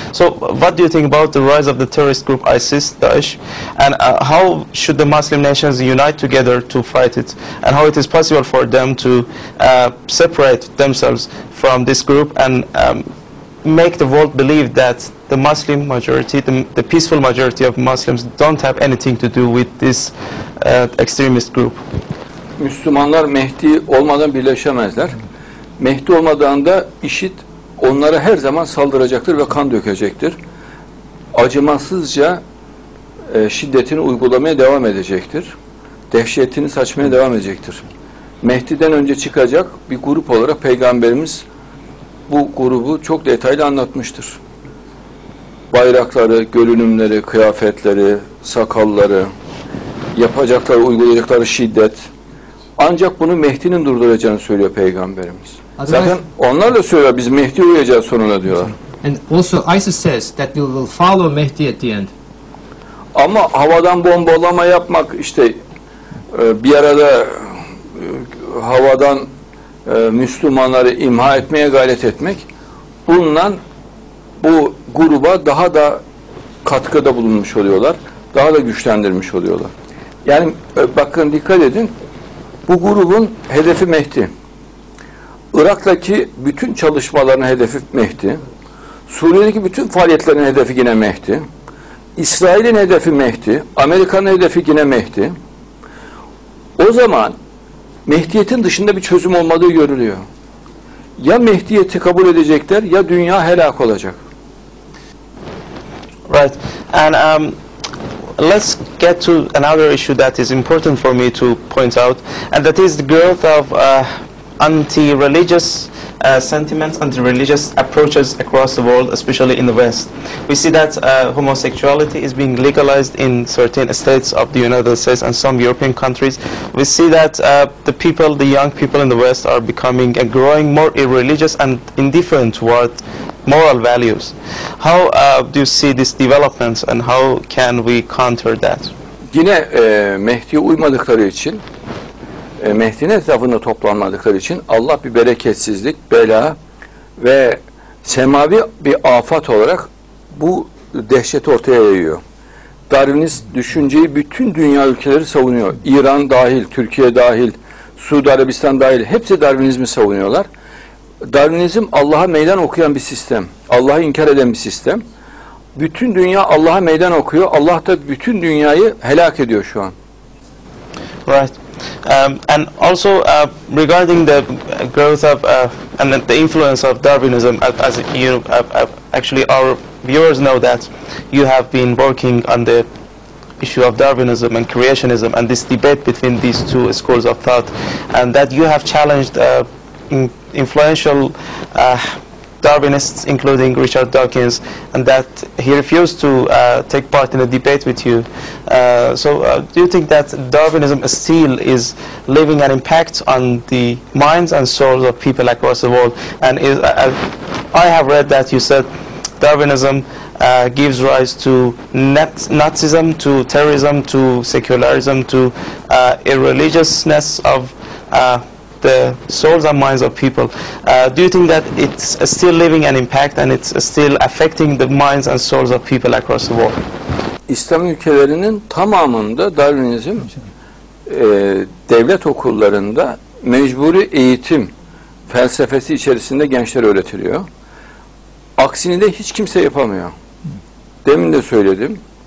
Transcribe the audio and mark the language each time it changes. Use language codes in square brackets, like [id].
[en] So what do you think about the rise of the terrorist group ISIS, Daesh, and how should the Muslim nations unite together to fight it, and how it is possible for them to separate themselves from this group and make the world believe that the Muslim majority, the peaceful majority of Muslims, don't have anything to do with this extremist group? [tr] Müslümanlar Mehdi olmadan birleşemezler. Mehdi olmadığında IŞİD onlara her zaman saldıracaktır ve kan dökecektir. Acımasızca şiddetini uygulamaya devam edecektir. Dehşetini saçmaya devam edecektir. Mehdi'den önce çıkacak bir grup olarak Peygamberimiz bu grubu çok detaylı anlatmıştır. Bayrakları, görünümleri, kıyafetleri, sakalları, yapacakları, uygulayacakları şiddet. Ancak bunu Mehdi'nin durduracağını söylüyor Peygamberimiz. Zaten onlar da söylüyor, biz Mehdi uyacağız sonuna diyorlar. [en] And also ISIS says that we will follow Mehdi at the end. [tr] Ama havadan bombalama yapmak, işte bir arada havadan Müslümanları imha etmeye gayret etmek, bununla bu gruba daha da katkıda bulunmuş oluyorlar, daha da güçlendirmiş oluyorlar. Yani bakın, dikkat edin, bu grubun hedefi Mehdi. Irak'taki bütün çalışmalarının hedefi Mehdi. Suriye'deki bütün faaliyetlerin hedefi yine Mehdi. İsrail'in hedefi Mehdi. Amerika'nın hedefi yine Mehdi. O zaman Mehdiyet'in dışında bir çözüm olmadığı görülüyor. Ya Mehdiyet'i kabul edecekler ya dünya helak olacak. [en] Right. And let's get to another issue that is important for me to point out, and that is the growth of anti-religious sentiments, anti-religious approaches across the world, especially in the West. We see that homosexuality is being legalized in certain states of the United States and some European countries. We see that the people, the young people in the West, are becoming and growing more irreligious and indifferent toward moral values. How do you see these developments, and how can we counter that? [tr] Yine Mehdi'ye uymadıkları için, Mehdi'nin etrafında toplanmadıkları için Allah bir bereketsizlik, bela ve semavi bir afat olarak bu dehşet ortaya yayıyor. Darwinist düşünceyi bütün dünya ülkeleri savunuyor. İran dahil, Türkiye dahil, Suudi Arabistan dahil, hepsi Darwinizmi savunuyorlar. Darwinizm Allah'a meydan okuyan bir sistem. Allah'ı inkar eden bir sistem. Bütün dünya Allah'a meydan okuyor. Allah da bütün dünyayı helak ediyor şu an. [en] Right. And also regarding the growth of and the influence of Darwinism, as you actually our viewers know that you have been working on the issue of Darwinism and creationism and this debate between these two schools of thought, and that you have challenged influential Darwinists, including Richard Dawkins, and that he refused to take part in a debate with you. So do you think that Darwinism still is leaving an impact on the minds and souls of people across the world? And is, I have read that you said Darwinism gives rise to Nazism, to terrorism, to secularism, to irreligiousness of the souls and minds of people. Do you think that it's still leaving an impact and it's still affecting the minds and souls of people across the world? [tr] İslam ülkelerinin tamamında Darwinizm devlet okullarında mecburi eğitim felsefesi içerisinde gençlere öğretiliyor. Aksini de hiç kimse yapamıyor. Demin de söyledim.